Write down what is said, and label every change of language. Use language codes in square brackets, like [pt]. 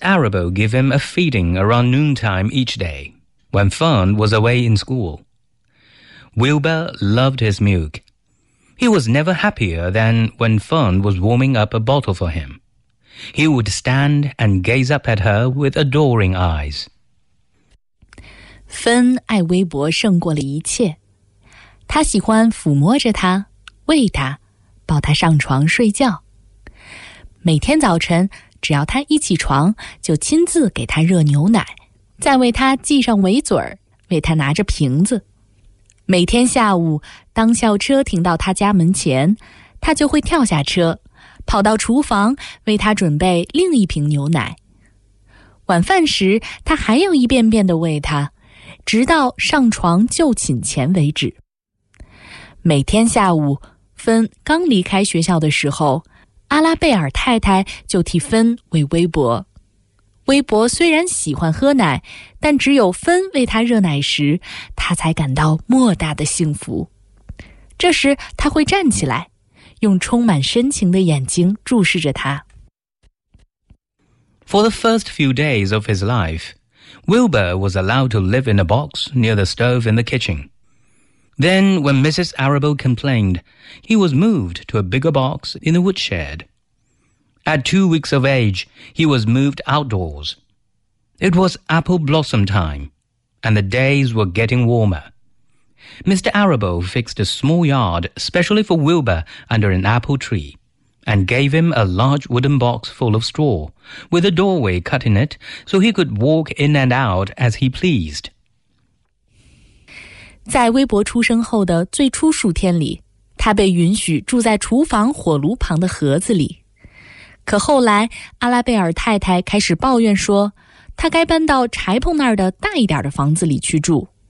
[en] Arable gave him a feeding around noontime each day, when Fern was away in school. Wilbur loved his milk. He was never happier than when Fern was warming up a bottle for him. He would stand and gaze up at her with adoring eyes. [zh] 芬爱微博胜过了一切，她喜欢抚摸着她，喂她，抱她上床睡觉。每天早晨，只要她一起床，就亲自给她热牛奶，再为她系上围嘴儿，为她拿着瓶子。每天下午，当校车停到她家门前，她就会跳下车，跑到厨房为她准备另一瓶牛奶。晚饭时，她还要一遍遍地喂她，直到上床就寝前为止。每天下午，芬刚离开学校的时候，阿拉贝尔太太就替芬喂微博。微博虽然喜欢喝奶，但只有芬喂他热奶时，他才感到莫大的幸福。这时他会站起来，用充满深情的眼睛注视着他。 [en] For the first few days of his life,Wilbur was allowed to live in a box near the stove in the kitchen. Then, when Mrs. Arable complained, he was moved to a bigger box in the woodshed. At 2 weeks of age, he was moved outdoors. It was apple blossom time, and the days were getting warmer. Mr. Arable fixed a small yard specially for Wilbur under an apple tree. And gave him a large wooden box full of straw, with a doorway cut in it, so he could walk in and out as he pleased. [zh] 在微博出生后的最初数天里，他被允许住在厨房火炉旁的盒子里。可后来，阿拉贝尔太太开始抱怨说，他该搬到柴棚那儿的大一点的房子里去住。